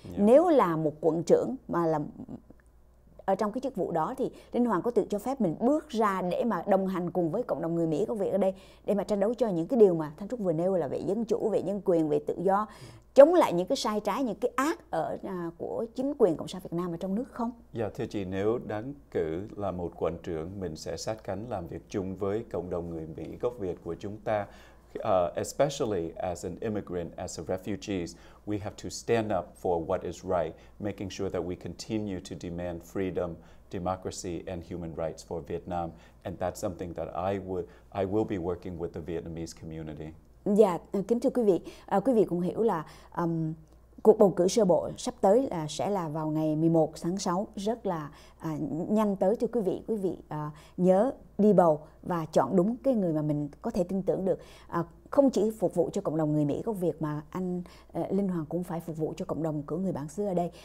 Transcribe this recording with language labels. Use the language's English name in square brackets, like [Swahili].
[Vietnamese] Nếu là một quận trưởng mà là ở trong cái chức vụ đó thì Linh Hoàng có tự cho phép mình bước ra để mà đồng hành cùng với cộng đồng người Mỹ có việc ở đây để mà tranh đấu cho những cái điều mà Thanh Trúc vừa nêu là về dân chủ, về nhân quyền, về tự do, chống lại những cái sai trái, những cái ác ở của chính quyền cộng sản Việt Nam ở trong nước không? Dạ thưa chị, nếu đáng cử là một quận trưởng, mình sẽ sát cánh làm việc chung với cộng đồng người Mỹ gốc Việt của chúng ta. [English] Especially as an immigrant, as a refugee, we have to stand up for what is right, making sure that we continue to demand freedom, democracy, and human rights for Vietnam. And that's something that I will be working with the Vietnamese community. [Vietnamese] Dạ, kính thưa quý vị cũng hiểu là cuộc bầu cử sơ bộ sắp tới sẽ là vào ngày 11 tháng 6, rất là nhanh tới thưa quý vị. Quý vị nhớ đi bầu và chọn đúng cái người mà mình có thể tin tưởng được. Không chỉ phục vụ cho cộng đồng người Mỹ gốc Việt mà anh Linh Hoàng cũng phải phục vụ cho cộng đồng của người bản xứ ở đây.